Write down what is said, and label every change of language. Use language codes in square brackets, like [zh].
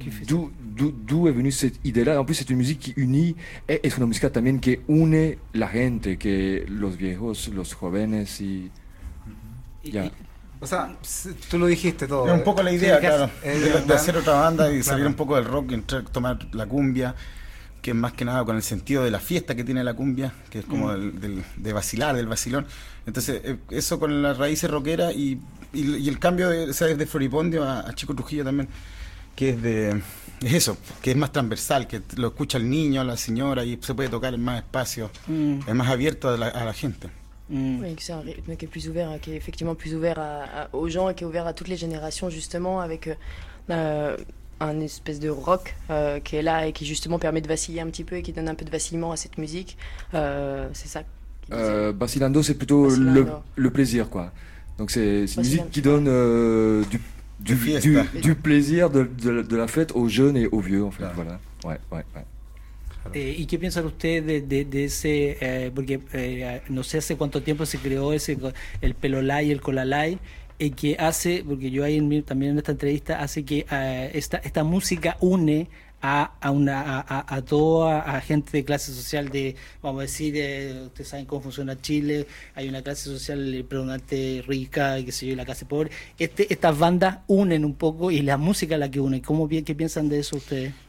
[fr] D'où est venue cette idée-là? En plus, c'est une musique qui unit, et c'est une musique aussi qui unit [es] la gente, que los viejos, los jóvenes. O sea, tú lo dijiste todo. Es un poco la idea, sí, claro, de hacer otra banda y salir un poco del rock y entrar, tomar la cumbia. Que es más que nada con el sentido de la fiesta que tiene la cumbia, que es como de vacilar, del vacilón. Entonces, eso con las raíces rockeras y el cambio de Floripondio a Chico Trujillo también, que es de eso, que es más transversal, que lo escucha el niño, la señora, y se puede tocar en más espacios, es más abierto a la gente. [fr] Oui, c'est un rythme qui est plus ouvert, qui est effectivement plus ouvert aux gens et qui est ouvert à toutes les générations, justement, avec un espèce de rock qui est là et qui justement permet de vaciller un petit peu et qui donne un peu de vacillement à cette musique. C'est ça. Vacilando, c'est plutôt le plaisir, quoi. Donc c'est une musique qui donne du plaisir de la fête aux jeunes et aux vieux, en fait. Ah. Voilà. Ouais. [es] ¿Y qué piensan ustedes de ese, porque no sé hace cuánto tiempo se creó ese, el pelolay y el colalay, y que hace, porque yo ahí también en esta entrevista, hace que esta música une a toda gente de clase social, de, vamos a decir, ustedes saben cómo funciona Chile, hay una clase social predominante rica, qué sé yo, y la clase pobre, estas bandas unen un poco y la música es la que une, ¿qué piensan de eso ustedes?